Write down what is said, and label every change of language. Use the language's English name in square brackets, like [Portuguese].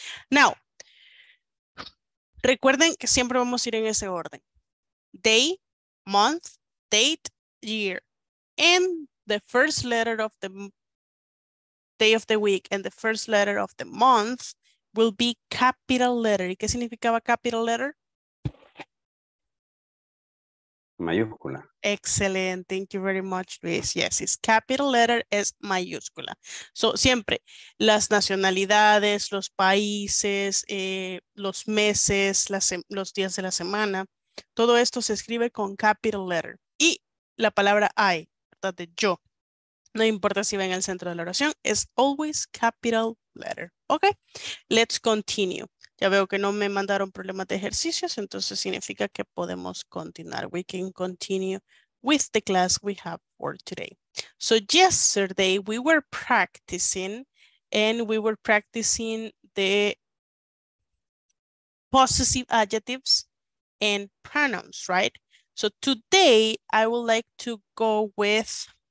[Spanish] Now, recuerden que siempre vamos a ir en ese orden. [English] Day, month, date, year. And the first letter of the day of the week and the first letter of the month will be capital letter. [Spanish] ¿Y qué significaba capital letter? Mayúscula. [English] Excellent. Thank you very much, Luis. Yes, it's capital letter [Spanish] es mayúscula. So, siempre las nacionalidades, los países, los meses, los días de la semana, todo esto se escribe con capital letter. Y la palabra I, ¿verdad? De yo. No importa si va en el centro de la oración, es always capital letter. [English] Ok, let's continue. [Spanish] Ya veo que no me mandaron problemas de ejercicios, entonces significa que podemos continuar. [English] We can continue with the class we have for today. So yesterday we were practicing and we were practicing the possessive adjectives and pronouns, right? So today I would like to go with...